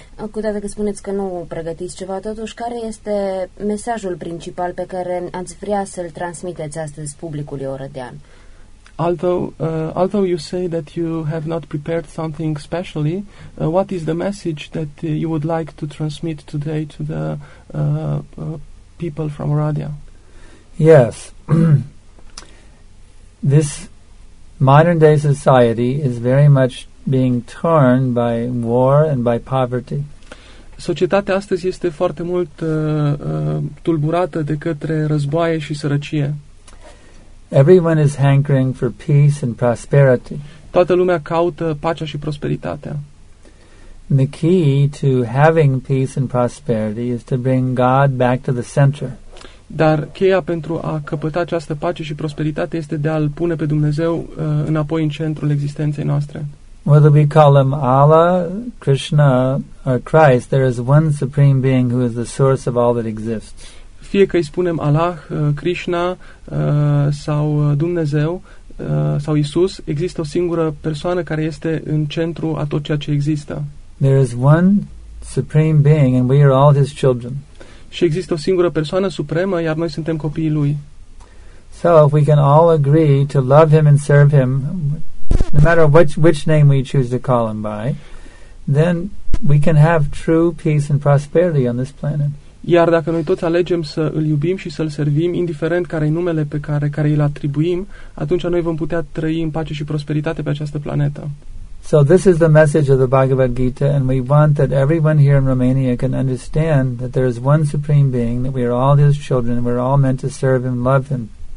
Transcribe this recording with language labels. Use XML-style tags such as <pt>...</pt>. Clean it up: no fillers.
<ro>Cu toate că spuneți că nu pregătiți ceva, totuși, care este mesajul principal pe care ați vrea să-l transmiteți astăzi publicului orădean?</ro> <en>Although you say that you have not prepared something specially, what is the message that you would like to transmit today to the people from Oradea? Yes. This modern day society is very much being torn by war and by poverty.</en> <ro>Societatea astăzi este foarte mult tulburată de către războaie și sărăcie.</ro> <en>Everyone is hankering for peace and prosperity.</en> <ro>Toată lumea caută pacea și prosperitatea.</ro> <en>The key to having peace and prosperity is to bring God back to the center.</en> <ro>Dar cheia pentru a căpăta această pace și prosperitate este de a-L pune pe Dumnezeu înapoi în centrul existenței noastre.</ro> <en>Whether we call Him Allah, Krishna, or Christ, there is one supreme being who is the source of all that exists.</en> <ro>Fie că îi spunem Allah, Krishna sau Dumnezeu sau Isus, există o singură persoană care este în centru a tot ceea ce există.</ro> <en>There is one supreme being and we are all his children.</en> <ro>Și există o singură persoană supremă, iar noi suntem copiii lui.</ro> <en>So if we can all agree to love him and serve him, no matter which name we choose to call him by, then we can have true peace and prosperity on this planet.</en> <ro>Iar dacă noi toți alegem să îl iubim și să îl servim, indiferent care-i numele pe care îl atribuim, atunci noi vom putea trăi în pace și prosperitate pe această planetă.</ro> <en>So this is the message of the Bhagavad Gita and we want that everyone here in Romania can understand that there is one supreme being, that we are all his children, we are all meant to serve him, love him.</en>